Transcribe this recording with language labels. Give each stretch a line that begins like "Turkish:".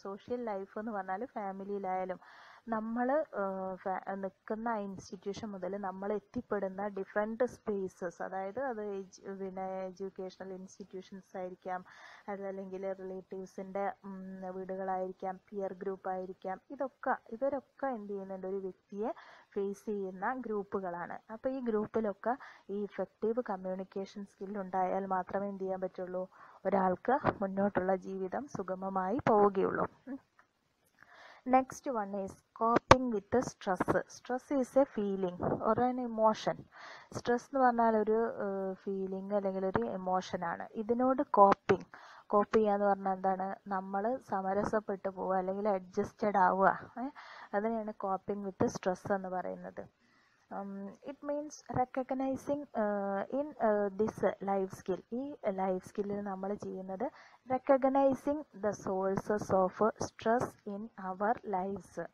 Malayalam: Social life എന്ന് പറഞ്ഞാൽ ഫാമിലിയിലായാലും നമ്മൾ നിൽക്കുന്ന ഇൻസ്റ്റിറ്റ്യൂഷൻ മുതൽ നമ്മൾ എത്തിപ്പെടുന്ന ഡിഫറെൻ്റ് സ്പേസസ്, അതായത് അത് എഡ്യൂക്കേഷണൽ ഇൻസ്റ്റിറ്റ്യൂഷൻസ് ആയിരിക്കാം, അതല്ലെങ്കിൽ റിലേറ്റീവ്സിൻ്റെ വീടുകളായിരിക്കാം, പിയർ ഗ്രൂപ്പായിരിക്കാം, ഇതൊക്കെ ഇവരൊക്കെ എന്ത് ചെയ്യുന്നുണ്ട്, ഒരു വ്യക്തിയെ ഫേസ് ചെയ്യുന്ന ഗ്രൂപ്പുകളാണ്. അപ്പോൾ ഈ ഗ്രൂപ്പിലൊക്കെ ഈ ഇഫക്റ്റീവ് കമ്മ്യൂണിക്കേഷൻ സ്കില്ലുണ്ടായാൽ മാത്രമേ എന്ത് ചെയ്യാൻ പറ്റുള്ളൂ, ഒരാൾക്ക് മുന്നോട്ടുള്ള ജീവിതം സുഗമമായി പോവുകയുള്ളൂ.
English: Next one is coping with the stress. Stress is a feeling or an emotion.
Malayalam: Stress nu parnal oru feeling allengil oru emotion aanu. Idinodu coping, കോപ്പ് ചെയ്യുക എന്ന് പറഞ്ഞാൽ എന്താണ്, നമ്മൾ സമരസപ്പെട്ടു പോവുക അല്ലെങ്കിൽ അഡ്ജസ്റ്റഡ് ആവുക, അതിനെയാണ് കോപ്പിംഗ് വിത്ത് സ്ട്രെസ് എന്ന് പറയുന്നത്.
English: it means recognising in this life skill,
Malayalam: ഈ ലൈഫ് സ്കില്ലിൽ നമ്മൾ ചെയ്യുന്നത്
English: Recognising the sources of stress in our lives.